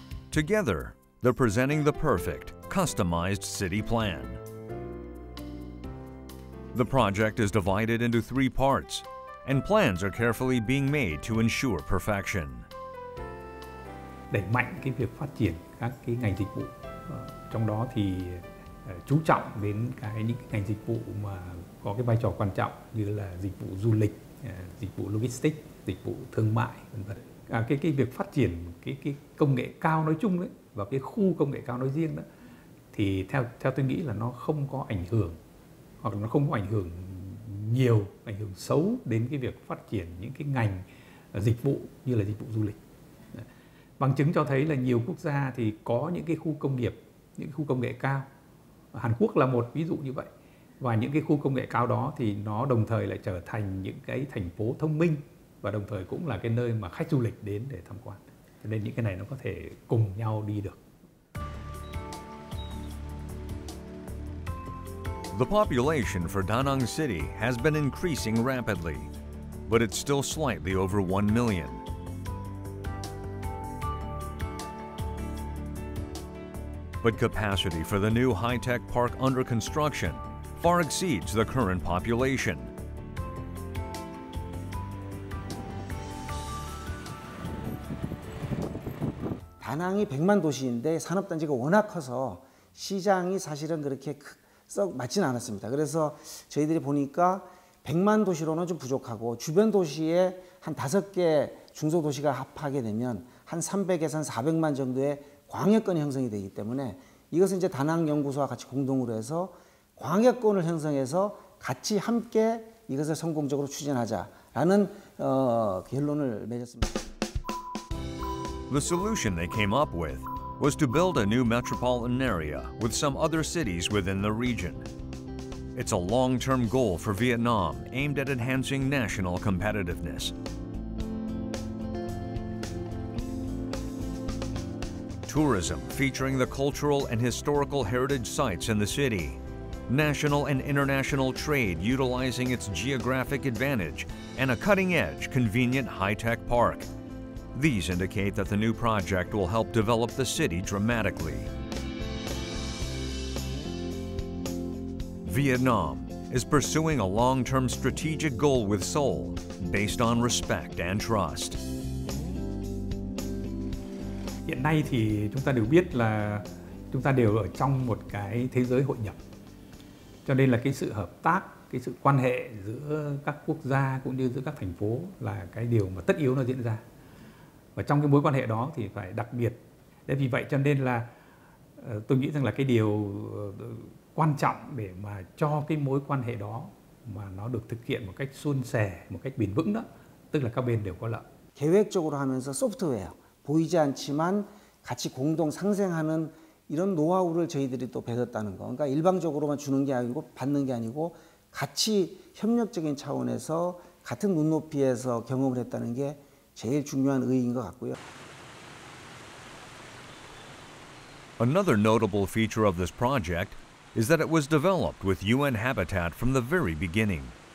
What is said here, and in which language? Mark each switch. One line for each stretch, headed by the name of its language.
English: together, they're presenting the perfect customized city plan. The project is divided into three parts, and plans are carefully being made to ensure perfection.
Vietnamese: để mạnh cái việc phát triển các cái ngành dịch vụ, trong đó thì chú trọng đến cái những cái ngành dịch vụ mà có cái vai trò quan trọng như là dịch vụ du lịch, dịch vụ logistics, dịch vụ thương mại vân vân. Cái việc phát triển cái công nghệ cao nói chung đấy và cái khu công nghệ cao nói riêng đó thì theo tôi nghĩ là nó không có ảnh hưởng hoặc là nó không có ảnh hưởng nhiều, ảnh hưởng xấu đến cái việc phát triển những cái ngành dịch vụ như là dịch vụ du lịch. Bằng chứng cho thấy là nhiều quốc gia thì có những cái khu công nghiệp, những khu công nghệ cao. Hàn Quốc là một ví dụ như vậy. Và những cái khu công nghệ cao đó thì nó đồng thời lại trở thành những cái thành phố thông minh và đồng thời cũng là cái nơi mà khách du lịch đến để tham quan. Cho nên những cái này nó có thể cùng nhau đi được.
English: The population for Da Nang City has been increasing rapidly, but it's still slightly over 1 million. But capacity for the new high-tech park under construction far exceeds the current population.
Korean: Da Nang이 100만 도시인데 산업단지가 워낙 커서 시장이 사실은 그렇게 썩 맞진 않았습니다. 그래서 저희들이 보니까 100만 도시로는 좀 부족하고 주변 도시에 한 5개 중소도시가 합하게 되면 한 300에서 400만 정도의 광역권이 형성이 되기 때문에 이것은 이제 다낭연구소와 같이 공동으로 해서 광역권을 형성해서 같이 함께 이것을 성공적으로 추진하자라는 결론을 맺었습니다.
English: The solution they came up with was to build a new metropolitan area with some other cities within the region. It's a long-term goal for Vietnam aimed at enhancing national competitiveness. Tourism featuring the cultural and historical heritage sites in the city, national and international trade utilizing its geographic advantage, and a cutting-edge, convenient high-tech park. These indicate that the new project will help develop the city dramatically. Vietnam is pursuing a long-term strategic goal with Seoul based on respect and trust.
Vietnamese: Hiện nay thì chúng ta đều biết là chúng ta đều ở trong một cái thế giới hội nhập. Cho nên là cái sự hợp tác, cái sự quan hệ giữa các quốc gia cũng như giữa các thành phố là cái điều mà tất yếu nó diễn ra. Và trong cái mối quan hệ đó thì phải đặc biệt. Để vì vậy cho nên là tôi nghĩ rằng là cái điều quan trọng để mà cho cái mối quan hệ đó mà nó được thực hiện một cách suôn sẻ, một cách bền vững đó, tức là các bên đều có lợi.
Korean: 계획적으로 하면서 소프트웨어, 보이지 않지만 같이 공동 상생하는 이런 노하우를 저희들이 또 배웠다는 거. 그러니까 일방적으로만 주는 게 아니고 받는 게 아니고 같이 협력적인 차원에서 같은 눈높이에서 경험을 했다는 게 제일 중요한 의의인 것 같고요.
English: Another notable feature of this project is that it was developed with UN Habitat from the very beginning.